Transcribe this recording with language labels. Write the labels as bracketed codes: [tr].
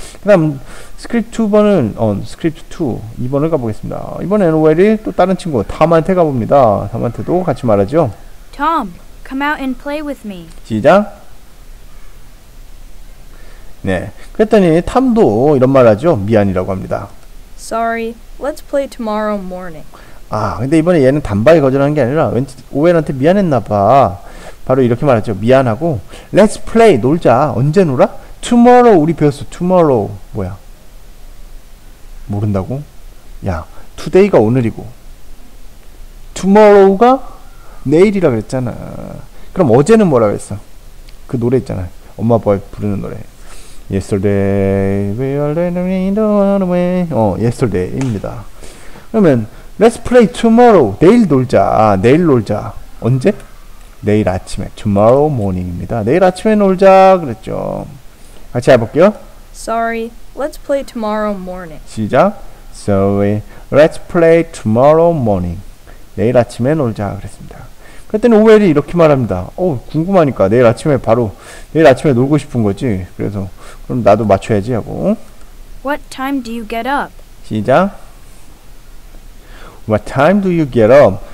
[ko] 그 다음 스크립트 2번은 스크립트 2. 2번을 가보겠습니다. 이번엔 웰이 또 다른 친구 탐한테 가봅니다. 탐한테도 같이 말하죠. [en] Tom, come out and play with me. [ko] 시작. 네. 그랬더니 탐도 이런 말 하죠. 미안이라고 합니다. [en] Sorry. Let's play tomorrow morning. [ko] 아, 근데 이번에 얘는 단발 거절하는 게 아니라 왠지 오웰한테 미안했나 봐. 바로 이렇게 말했죠. 미안하고 [en] Let's play. [ko] 놀자. 언제 놀아? Tomorrow. 우리 배웠어. Tomorrow. 뭐야? 모른다고? 야, today가 오늘이고 tomorrow가 내일이라 그랬잖아. 그럼 어제는 뭐라 그랬어? 그 노래 있잖아. 엄마 부르는 노래. [en] Yesterday we are learning in the hard way. [ko] 어, yesterday입니다. 그러면 [en] let's play tomorrow. [ko] 내일 놀자. 아, 내일 놀자. 언제? 내일 아침에. [en] Tomorrow morning입니다. [ko] 내일 아침에 놀자 그랬죠. 같이 해볼게요. [en] Sorry, let's play tomorrow morning. [ko] 시작. [en] Sorry, let's play tomorrow morning. [ko] 내일 아침에 놀자 그랬습니다. 그랬더니 오웰이 이렇게 말합니다. 어, 궁금하니까 내일 아침에 바로 내일 아침에 놀고 싶은 거지. 그래서 그럼 나도 맞춰야지 하고. [en] What time do you get up? [ko] 시작. [en] What time do you get up?